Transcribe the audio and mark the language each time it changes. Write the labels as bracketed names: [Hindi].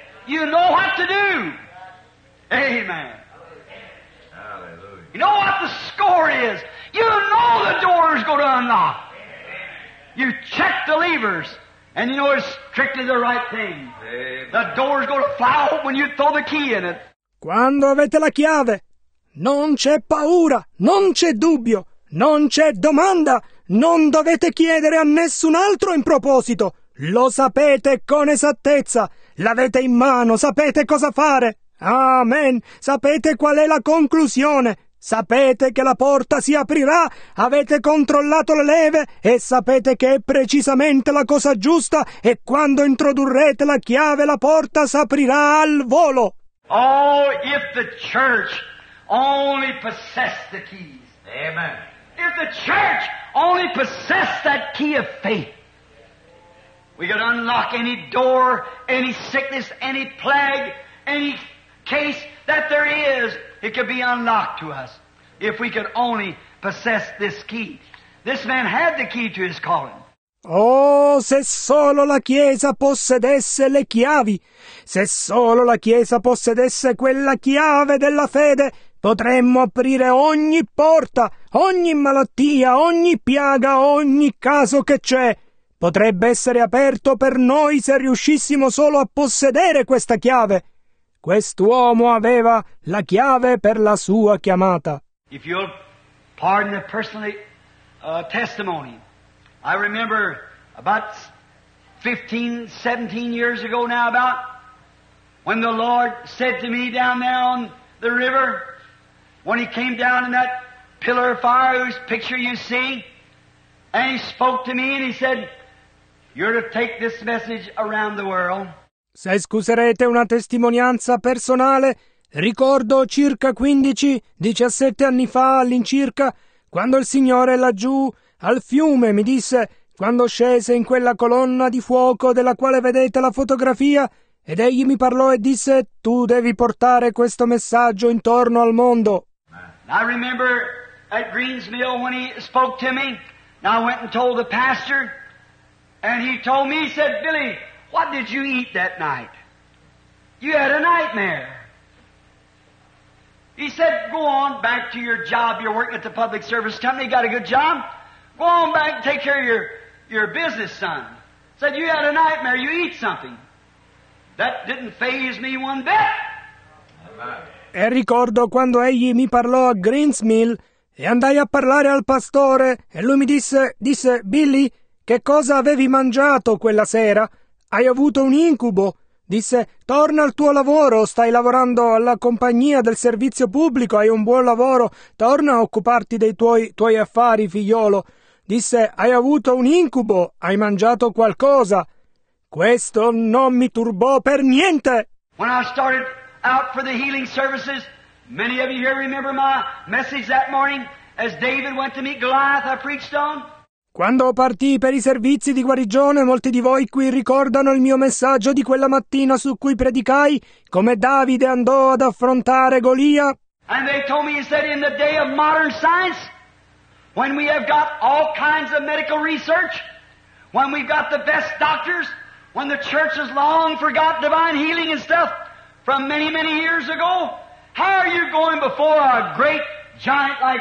[English] You know what to do. Amen. Hallelujah. You know what the score is. You know the door's going to unlock. You check the levers, and you know it's strictly the right thing. Amen. The door's going to fly open when you throw the key in it. [Italian] Quando avete la chiave, non c'è paura, non c'è dubbio, non c'è domanda. Non dovete chiedere a nessun altro in proposito. Lo sapete con esattezza. L'avete in mano, sapete cosa fare. Amen. Sapete qual è la conclusione. Sapete che la porta si aprirà. Avete controllato le leve e sapete che è precisamente la cosa giusta, e quando introdurrete la chiave, la porta s'aprirà al volo. [English] Oh, if the church only possessed the keys. Amen. If the church only possessed that key of faith, we could unlock any door, any sickness, any plague, any case that there is. It could be unlocked to us if we could only possess this key. This man had the key to his calling. [Italian] Oh, se solo la Chiesa possedesse le chiavi, se solo la Chiesa possedesse quella chiave della fede, potremmo aprire ogni porta, ogni malattia, ogni piaga, ogni caso che c'è. Potrebbe essere aperto per noi se riuscissimo solo a possedere questa chiave. Quest'uomo aveva la chiave per la sua chiamata. [English] If you'll pardon the personal testimony, I remember about 15, 17 years ago now about when the Lord said to me down there on the river, when he came down in that pillar of fire whose picture you see, and he spoke to me and he said, you're to take this message around the world. [Italian] Se scuserete una testimonianza personale, ricordo circa 15-17 anni fa all'incirca, quando il Signore laggiù al fiume mi disse, quando scese in quella colonna di fuoco della quale vedete la fotografia, ed egli mi parlò e disse, tu devi portare questo messaggio intorno al mondo. [English] I remember at Green's Mill when he spoke to me, and I went and told the pastor, and he told me, he said, Billy, what did you eat that night? You had a nightmare. He said, go on back to your job. You're working at the public service company. You got a good job. Go on back and take care of your business, son. He said, you had a nightmare. You eat something. That didn't faze me one bit. [Italian] E ricordo quando egli mi parlò a Green's Mill e andai a parlare al pastore e lui mi disse, Billy, che cosa avevi mangiato quella sera? Hai avuto un incubo? Disse, torna al tuo lavoro, stai lavorando alla compagnia del servizio pubblico, hai un buon lavoro, torna a occuparti dei tuoi affari, figliolo. Disse, hai avuto un incubo, hai mangiato qualcosa. Questo non mi turbò per niente. [English] When I started out for the healing services, many of you here remember my message that morning as David went to meet Goliath, I preached on. [Italian] Quando partì per i servizi di guarigione, molti di voi qui ricordano il mio messaggio di quella mattina su cui predicai, come Davide andò ad affrontare Golia. [English] And they told me, he said, in the day of modern science, when we have got all kinds of medical research, when we've got the best doctors, when the church has long forgot divine healing and stuff from many, many years ago, how are you going before a great giant like